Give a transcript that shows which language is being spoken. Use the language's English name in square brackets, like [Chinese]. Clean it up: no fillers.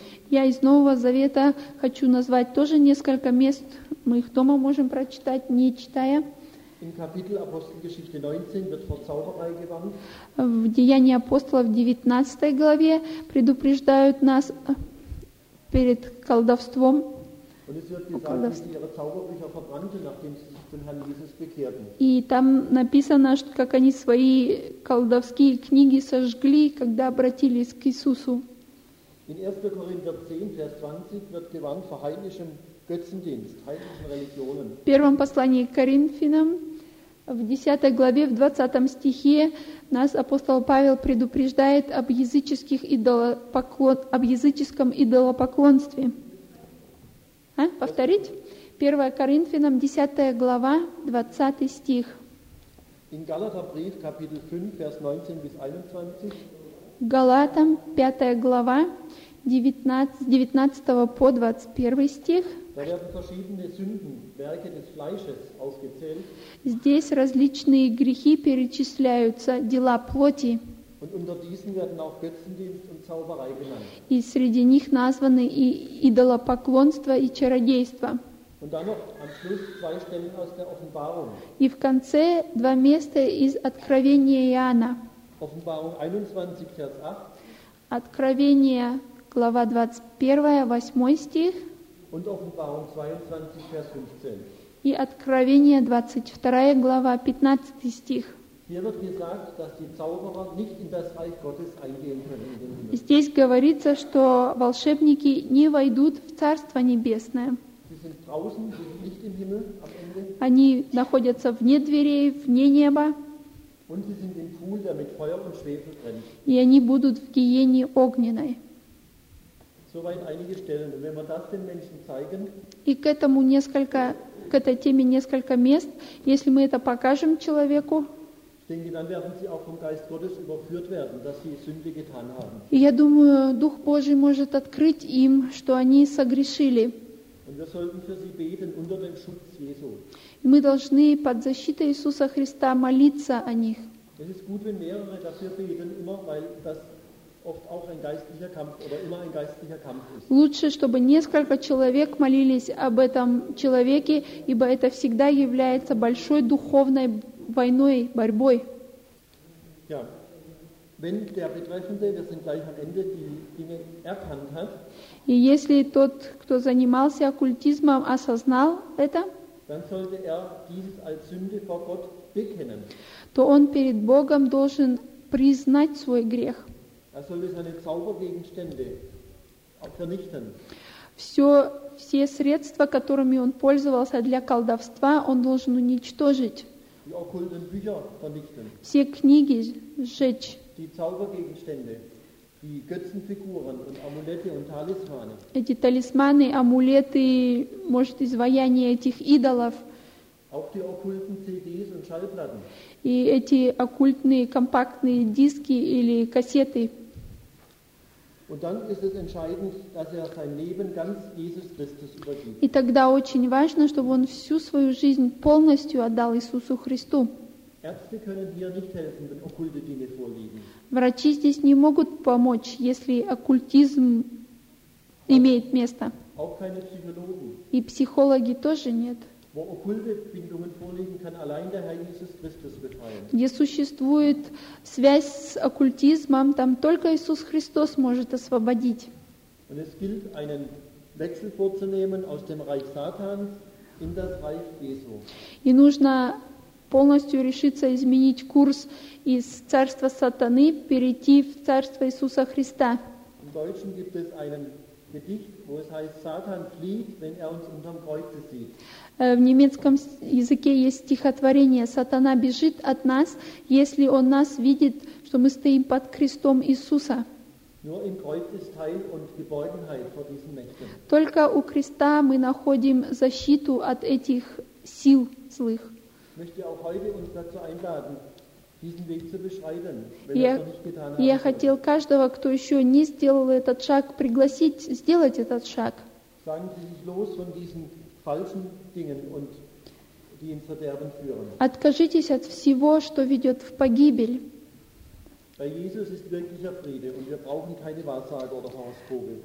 [Russian] Я из Нового Завета хочу назвать тоже несколько мест, мы их дома можем прочитать, не читая. [German] Im Kapitel Apostelgeschichte 19 wird vor Zauberei gewarnt. [Russian] В Деяниях апостолов 19 главе предупреждают нас перед колдовством. [German] Und es wird gesagt, dass sie ihre Zauberbücher verbrannten, nachdem sie sich dem Herrn Jesus bekehrten. [Russian] И там написано, что как они свои колдовские книги сожгли, когда обратились к Иисусу. [German] In 1. Korinther 10, Vers 20 wird gewarnt vor heidnischem Götzendienst, heidnischen Religionen. [Russian] В первом послании к Коринфянам, в 10 главе, в 20 стихе, нас апостол Павел предупреждает об языческом идолопоклонстве. А? Повторить? 1 Коринфянам 10 глава 20 стих. [German] In Galaterbrief Kapitel 5 Vers 19 bis 21. [Russian] Галатам 5 глава 19 по 21 стих. [German] Da werden verschiedene Sünden, Werke des Fleisches, aufgezählt. [Russian] Здесь различные грехи перечисляются, дела плоти. [German] Und unter diesen werden auch Götzendienst und Zauberei genannt. [Russian] И среди них названы и идолопоклонство и чародейство. [German] Und dann noch am Schluss zwei Stellen aus der Offenbarung. [Russian] И в конце два места из Откровения Иоанна. [German] Offenbarung 21, Vers 8. [Russian] Откровение, глава 21, 8 стих. [German] Und Offenbarung 22, Vers 15. [Russian] И Откровение 22, глава 15 стих. [German] Hier wird gesagt, dass die Zauberer nicht in das Reich Gottes eingehen können. [Russian] Здесь говорится, что волшебники не войдут в Царство Небесное. [German] Sie sind draußen, sie sind nicht im Himmel, am Ende. [Russian] Они находятся вне дверей, вне неба. [German] Und sie sind im Pool, der mit Feuer und Schwefel brennt. [Russian] И они будут в гиене огненной. [German] Soweit einige Stellen. Und wenn wir das den Menschen zeigen, [Russian] и к этому несколько, к этой теме несколько мест, если мы это покажем человеку, [German] dann werden sie auch vom Geist Gottes überführt werden, dass sie Sünde getan haben. [Russian] Я думаю, Дух Божий может открыть им, что они согрешили. [German] Und wir sollten für sie beten unter dem Schutz Jesu. [Russian] Мы должны под защитой Иисуса Христа молиться о них. [German] Es ist gut, wenn mehrere dafür beten, immer, weil das oft auch ein geistlicher Kampf oder immer ein geistlicher Kampf ist. [Russian] Лучше, чтобы несколько человек молились об этом человеке, ибо это всегда является большой духовной войной, борьбой. [German] Ja, wenn der Betreffende, wir sind gleich am Ende, die Dinge erkannt hat, [Russian] и если тот, кто занимался оккультизмом, осознал это, [German] dann sollte er dieses als Sünde vor Gott bekennen. [Russian] То он перед Богом должен признать свой грех. [German] Er sollte seine Zaubergegenstände vernichten. [Russian] Все средства, которыми он пользовался для колдовства, он должен уничтожить. [German] Die okkulten Bücher vernichten. [Russian] Все книги сжечь. [German] Die Zaubergegenstände, die Götzenfiguren und Amulette und Talismane. [Russian] Эти талисманы, амулеты, может, изваяния этих идолов. [German] Auch die okkulten CDs und Schallplatten. [Russian] И эти оккультные компактные диски или кассеты. [German] Und dann ist es entscheidend, dass er sein Leben ganz Jesus Christus übergibt. [Russian] И тогда очень важно, чтобы он всю свою жизнь полностью отдал Иисусу Христу. [German] Ärzte können hier nicht helfen, wenn okkulte Dinge vorliegen. [Russian] Врачи здесь не могут помочь, если оккультизм имеет место. [German] Auch keine Psychologen. [Russian] И психологи тоже нет. [German] Wo okkulte Bindungen vorliegen, kann allein der Herr Jesus Christus befreien. [Russian] Где существует связь с оккультизмом, там только Иисус Христос может освободить. [German] Und es gilt, einen Wechsel vorzunehmen aus dem Reich Satans in das Reich Jesu. [Russian] И нужно полностью решиться изменить курс из царства сатаны, перейти в царство Иисуса Христа. [German] Im Deutschen gibt es einen Gedicht, wo es heißt, Satan flieht, wenn er uns unterm Kreuze sieht. [Russian] В немецком языке есть стихотворение: «Сатана бежит от нас, если он нас видит, что мы стоим под крестом Иисуса». [German] Nur im Kreuz ist Heil und Geborgenheit vor diesen Mächten. [Russian] Только у Христа мы находим защиту от этих сил злых. [German] Möchte auch heute uns dazu einladen, diesen Weg zu beschreiten, wenn [Russian] я, [German] er noch nicht getan hat. [Russian] Я хотел каждого, кто еще не сделал этот шаг, пригласить сделать этот шаг. [German] Sagen Sie sich los von diesen falschen Dingen und die ins Verderben führen. [Russian] Откажитесь от всего, что ведет в погибель. [German] Bei Jesus ist wirklicher Friede und wir brauchen keine Wahrsager oder Horoskope.